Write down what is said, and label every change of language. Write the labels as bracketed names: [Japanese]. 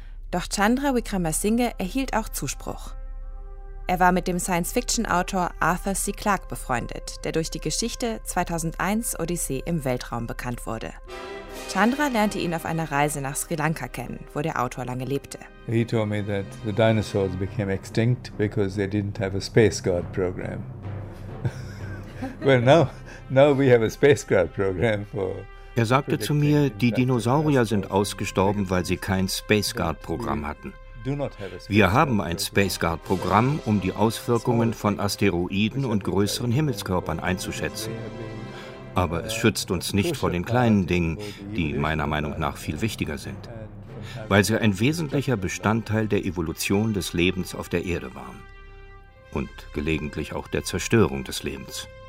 [German] Doch Chandra Wickramasinghe erhielt auch Zuspruch. Er war mit dem Science-Fiction-Autor Arthur C. Clarke befreundet, der durch die Geschichte 2001 Odyssee im Weltraum bekannt wurde. Chandra lernte ihn auf einer Reise nach Sri Lanka kennen, wo der Autor lange lebte. [English] He told me that the dinosaurs became extinct because they didn't have a space guard program. Well, now we have a space guard program for. [German] Er sagte zu mir, die Dinosaurier sind ausgestorben, weil sie kein Space Guard Programm hatten. Wir haben ein Space Guard Programm, um die Auswirkungen von Asteroiden und größeren Himmelskörpern einzuschätzen. Aber es schützt uns nicht vor den kleinen Dingen, die meiner Meinung nach viel wichtiger sind, weil sie ein wesentlicher Bestandteil der Evolution des Lebens auf der Erde waren und gelegentlich auch der Zerstörung des Lebens.